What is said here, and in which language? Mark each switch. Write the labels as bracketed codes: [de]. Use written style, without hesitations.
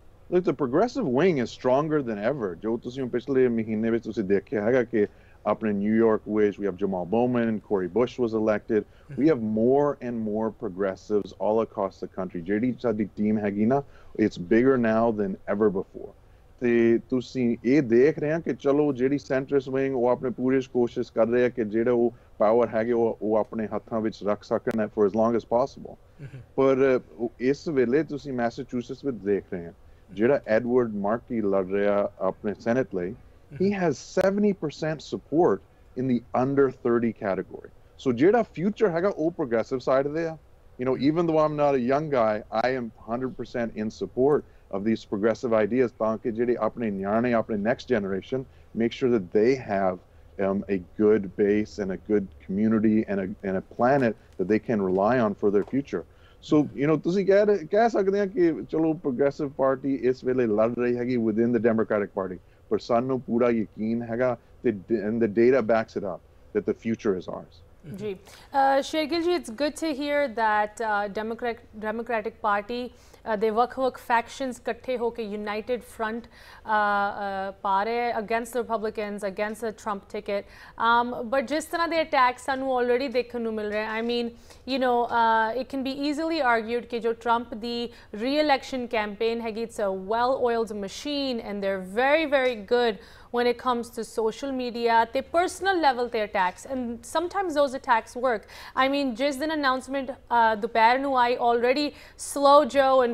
[en] Look, the progressive wing is stronger than ever. [pa] Jo tusin pichle mahine vich tusi dekhya hai ga ke apne [en] New York wish, we have Jamal Bowman and Cory Bush was elected. We have more and more progressives all across the country. [pa] Jehdi sadi team hai gi na, [en] it's bigger now than ever before. [pa] ਤੇ ਤੁਸੀਂ ਇਹ ਦੇਖ ਰਹੇ ਹਾਂ ਕਿ ਚਲੋ ਜਿਹੜੀ ਸੈਂਟਰਿਸਟ wing ਉਹ ਆਪਣੇ ਪੂਰੀ ਕੋਸ਼ਿਸ਼ ਕਰ ਰਹੇ ਆ ਕਿ ਜਿਹੜਾ ਉਹ ਪਾਵਰ ਹੈਗੇ ਉਹ ਆਪਣੇ ਹੱਥਾਂ ਵਿੱਚ ਰੱਖ ਸਕਣ [en] For as long as possible. [pa] ਪਰ ਇਸ ਵੇਲੇ ਤੁਸੀਂ ਮੈਸਾਚੂਸੈਟਸ ਵਿੱਚ ਦੇਖ ਰਹੇ ਹਾਂ ਜਿਹੜਾ ਐਡਵਰਡ ਮਾਰਕੀ ਲੜ ਰਿਹਾ ਆਪਣੇ ਸੈਨੇਟ ਲਈ, [en] He has 70% support in the under 30 category. [pa] ਸੋ ਜਿਹੜਾ ਫਿਊਚਰ ਹੈਗਾ ਉਹ ਪ੍ਰੋਗਰੈਸਿਵ ਸਾਈਡ ਦੇ ਆ. [en] you know, even though I'm not a young guy, I am 100% in support of these progressive ideas, [pa] ਤਾਂ ਕਿ ਜਿਹੜੇ ਆਪਣੇ ਨਿਆਣੇ ਆਪਣੇ [en] Next generation make sure that they have a good base and a good community and a planet that they can rely on for their future. So, you know, [pa] ਤੁਸੀਂ ਕਹਿ ਸਕਦੇ ਆ ਕਿ ਚਲੋ ਪ੍ਰੋਗਰੈਸਿਵ ਪਾਰਟੀ ਇਸ ਵੇਲੇ ਲੜ ਰਹੀ ਹੈਗੀ [en] within the Democratic Party, [pa] ਪਰ ਸਾਨੂੰ ਪੂਰਾ ਯਕੀਨ ਹੈਗਾ ਤੇ [en] The data backs it up that the future is ours. Ji, Shergill ji, it's good to hear that Democratic Party, they [pa] vakh-vakh factions katthe ho ke united front pa rahe [en] against the Republicans, against the Trump ticket. But [pa] jis tarah de attacks sanu already dekhan nu mil rahe, [en] I mean, you know, it can be easily argued [pa] ke jo Trump di [en] re-election campaign hai, it's a well-oiled machine and they're very, very good when it comes to social media, the personal level the attacks, and sometimes those attacks work. I mean, just an announcement [pa] dopahar nu aayi, [en] already Slow Joe and